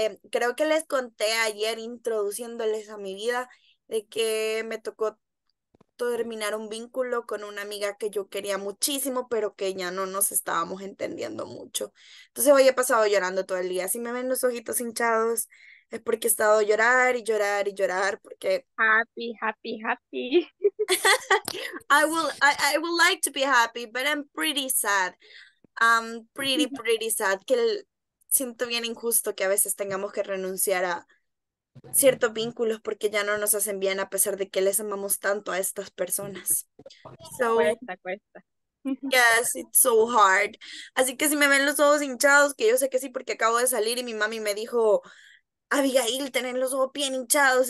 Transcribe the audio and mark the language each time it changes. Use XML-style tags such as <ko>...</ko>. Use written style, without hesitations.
<es>Creo que les conté ayer introduciéndoles a mi vida de que me tocó terminar un vínculo con una amiga que yo quería muchísimo, pero que ya no nos estábamos entendiendo mucho. Entonces hoy he pasado llorando todo el día. Si me ven los ojitos hinchados, es porque he estado a llorar y llorar y llorar, porque</es> <en>Happy, happy, happy. I would like to be happy, but I'm pretty sad. I'm pretty, pretty sad.</en> <es>Siento bien injusto que a veces tengamos que renunciar a ciertos vínculos porque ya no nos hacen bien a pesar de que les amamos tanto a estas personas.</es> <en>So,</en> <es>Cuesta, cuesta.</es> <en>yes, it's so hard.</en> <es>Así que si me ven los ojos hinchados, que yo sé que sí porque acabo de salir y mi mami me dijo, Abigail, tenés los ojos bien hinchados.</es>